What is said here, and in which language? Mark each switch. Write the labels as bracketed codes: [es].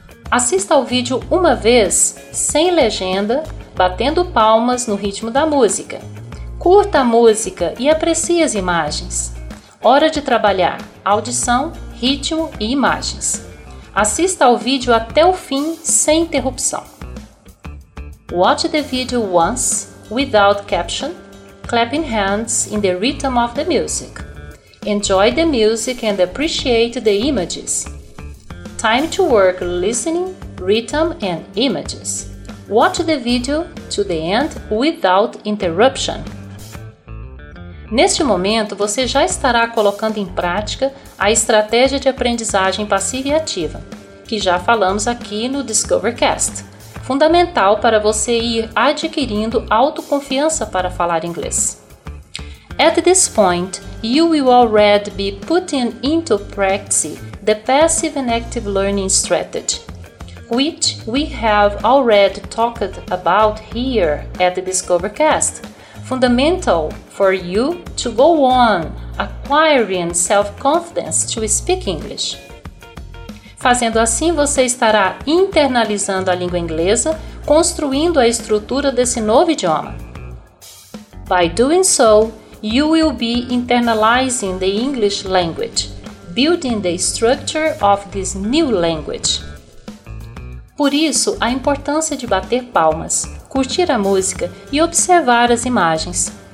[pt] Assista ao vídeo uma vez, sem legenda, batendo palmas no ritmo da música. Curta a música e aprecie as imagens. Hora de trabalhar: audição, ritmo e imagens. Assista ao vídeo até o fim, sem interrupção. [en] Watch the video once, without caption, clapping hands in the rhythm of the music. Enjoy the music and appreciate the images. Time to work listening, rhythm and images. Watch the video to the end without interruption. [pt] Neste momento, você já estará colocando em prática a estratégia de aprendizagem passiva e ativa, que já falamos aqui no DiscoverCast, fundamental para você ir adquirindo autoconfiança para falar inglês. [en] At this point, you will already be putting into practice the passive and active learning strategy, which we have already talked about here at the DiscoverCast, fundamental for you to go on acquiring self-confidence to speak English. [pt] Fazendo assim, você estará internalizando a língua inglesa, construindo a estrutura desse novo idioma. [en] By doing so, you will be internalizing the English language, building the structure of this new language. [pt] Por isso, a importância de bater palmas, curtir a música e observar as imagens.